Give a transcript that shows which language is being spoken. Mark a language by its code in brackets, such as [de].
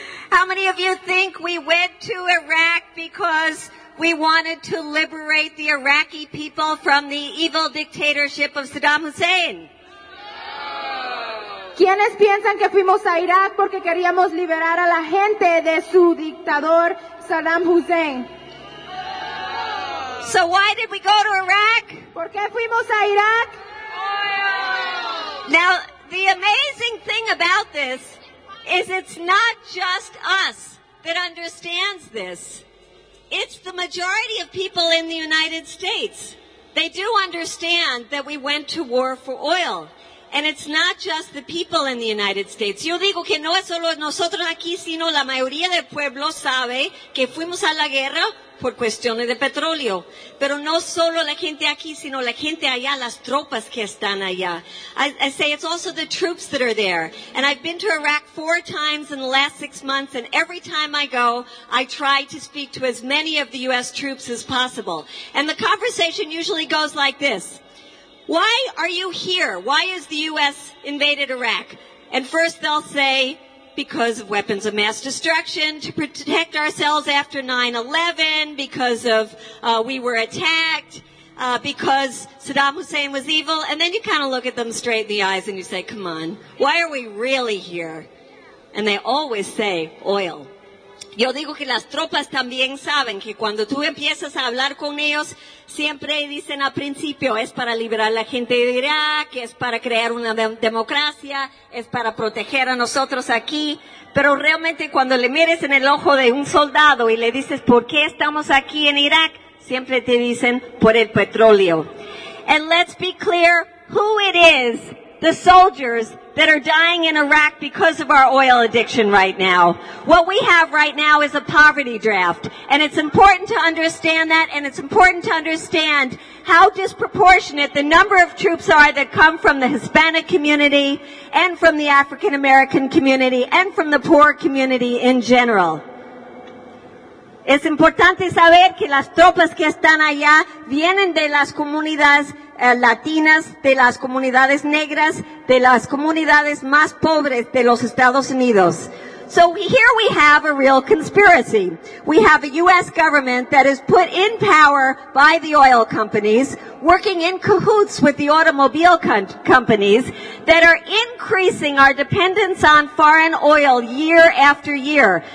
[en] How many of you think we went to Iraq because we wanted to liberate the Iraqi people from the evil dictatorship of Saddam Hussein? [es] ¿Quiénes piensan que fuimos a Irak porque queríamos liberar a la gente de su dictador Saddam Hussein? [en] So why did we go to Iraq? [es] ¿Por qué fuimos a Irak? [en] Now, the amazing thing about this is it's not just us that understands this. It's the majority of people in the United States. They do understand that we went to war for oil. And it's not just the people in the United States. [es] Yo digo que no es solo nosotros aquí, sino la mayoría del pueblo sabe que fuimos a la guerra por cuestiones de petróleo. Pero no solo la gente aquí, sino la gente allá, las tropas que están allá. [en] I say it's also the troops that are there. And I've been to Iraq 4 times in the last 6 months, and every time I go, I try to speak to as many of the U.S. troops as possible. And the conversation usually goes like this. Why are you here? Why has the U.S. invaded Iraq? And first they'll say, because of weapons of mass destruction, to protect ourselves after 9/11, because of we were attacked, because Saddam Hussein was evil. And then you kind of look at them straight in the eyes and you say, come on, why are we really here? And they always say, oil. [es] Yo digo que las tropas también saben que cuando tú empiezas a hablar con ellos, siempre dicen al principio, es para liberar a la gente de Irak, es para crear una democracia, es para proteger a nosotros aquí. Pero realmente cuando le mires en el ojo de un soldado y le dices, ¿por qué estamos aquí en Irak? Siempre te dicen, por el petróleo. [en] And let's be clear who it is, the soldiers that are dying in Iraq because of our oil addiction right now. What we have right now is a poverty draft, and it's important to understand that, and it's important to understand how disproportionate the number of troops are that come from the Hispanic community and from the African American community and from the poor community in general. [es] Es importante saber que las tropas que están allá vienen de las comunidades latinas, de las comunidades negras, de las comunidades más pobres de los Estados Unidos. [en] So here we have a real conspiracy. We have a U.S. government that is put in power by the oil companies, working in cahoots with the automobile companies, that are increasing increasing our dependence on foreign oil year after year.